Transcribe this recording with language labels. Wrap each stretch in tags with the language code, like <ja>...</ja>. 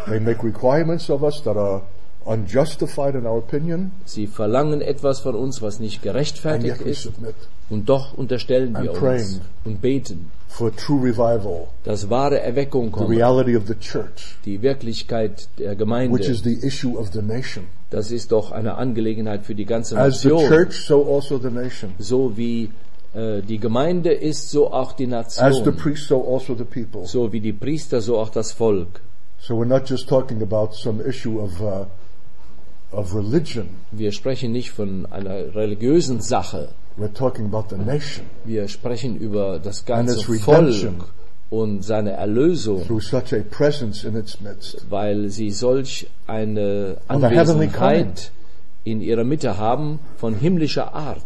<en>They make requirements of us that are unjustified in our opinion.</en> <de>Sie verlangen etwas von uns, was nicht gerechtfertigt ist.</de> <en>Submit.</en> <de>Und doch unterstellen</de> <en>and</en> <de>wir uns und beten</de> <en>for true revival,</en> <de>dass wahre Erweckung kommt.</de> <en>The reality of the church,</en> <de>die Wirklichkeit der Gemeinde,</de> <en>which is the issue of the nation.</en> <de>Das ist doch eine Angelegenheit für die ganze Nation.</de> <en>As the church, so also the nation.</en> <de>So wie die Gemeinde ist, so auch die Nation.</de> <en>As the priest, so also the people.</en> <de>So wie die Priester, so auch das Volk.</de> <en>So we're not just talking about some issue of religion.</en> <de>Wir sprechen nicht von einer religiösen Sache.</de> <en>We're talking about the nation.</en> <de>Wir sprechen über das ganze Volk und seine Erlösung.</de> <en>Through such a presence in its midst.</en> <de>Weil sie solch eine Anwesenheit in ihrer Mitte haben, von himmlischer Art.</de>